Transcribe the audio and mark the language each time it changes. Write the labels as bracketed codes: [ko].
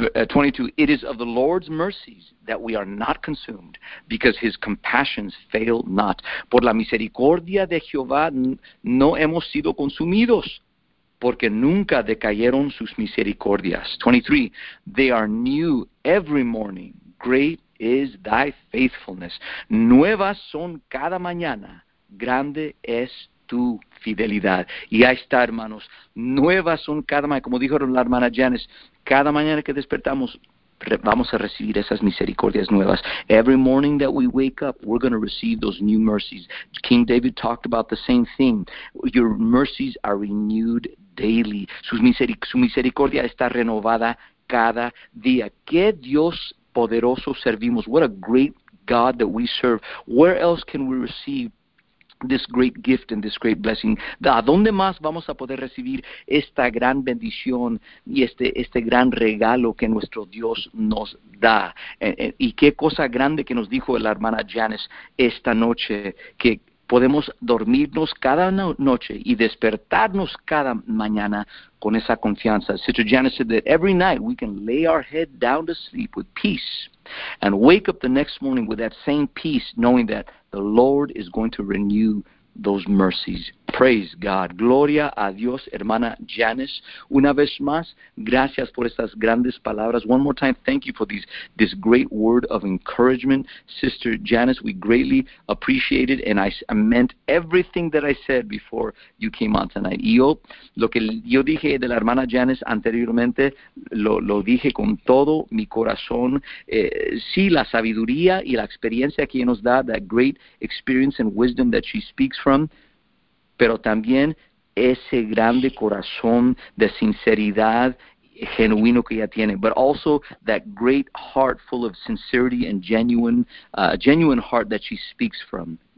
[en] 22, it is of the Lord's mercies that we are not consumed, because his compassions fail not. [es] Por la misericordia de Jehová no hemos sido consumidos, porque nunca decayeron sus misericordias. [en] 23, they are new every morning. Great is thy faithfulness. [es] Nuevas son cada mañana. Grande es tu fidelidad. Y ahí está, hermanos. Nuevas son cada mañana. Como dijeron la hermana Janice, cada mañana que despertamos, vamos a recibir esas misericordias nuevas. [en] Every morning that we wake up, we're going to receive those new mercies. King David talked about the same thing. Your mercies are renewed daily. [es] Su misericordia está renovada cada día. ¿Qué Dios poderoso servimos? [en] What a great God that we serve. Where else can we receive this great gift and this great blessing? [es] ¿A dónde más vamos a poder recibir esta gran bendición y este gran regalo que nuestro Dios nos da? Y qué cosa grande que nos dijo la hermana Janice esta noche, que podemos dormirnos cada noche y despertarnos cada mañana con esa confianza. [en] Sister Janice said that every night we can lay our head down to sleep with peace and wake up the next morning with that same peace, knowing that the Lord is going to renew those mercies. Praise God. [es] Gloria a Dios, hermana Janice. Una vez más, gracias por estas grandes palabras. [en] One more time, thank you for this great word of encouragement, Sister Janice. We greatly appreciate it, and I meant everything that I said before you came on tonight. [es] Lo que yo dije de la hermana Janice anteriormente, lo dije con todo mi corazón. Sí, la sabiduría y la experiencia que ella nos da, [en] that great experience and wisdom that she speaks from, [es] pero también ese grande corazón de sinceridad genuino que ella tiene, [en] but also that great heart full of sincerity and genuine heart that she speaks from.